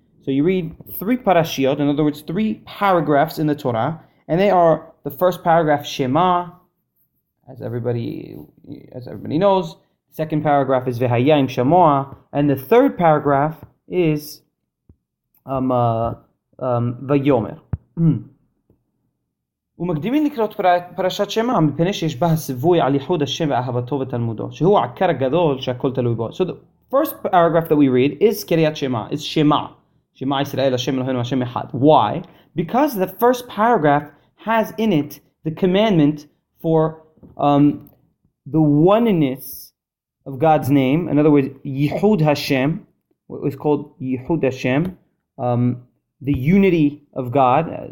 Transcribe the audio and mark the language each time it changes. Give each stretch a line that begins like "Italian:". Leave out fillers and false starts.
English: So you read three parashiyot, in other words, three paragraphs in the Torah, and they are the first paragraph Shema, as everybody knows. Second paragraph is Vehayayim Shamoa, and the third paragraph is Vayomer.
Hebrew: ומקדימים לקרוא פרשת שמע מפני שיש בה סיווי על ייחוד השם ואהבתו ותלמודו, שהוא העיקר הגדול שהכל תלוי בו.
English: So the first paragraph that we read is Kiryat Shema, is Shema.
Hebrew: Shema Yisrael, Hashem Eloheinu, Hashem Echad.
English: Why? Because the first paragraph has in it the commandment for the oneness of God's name. In other words, Yehud Hashem, what was called Yehud Hashem, the unity of God.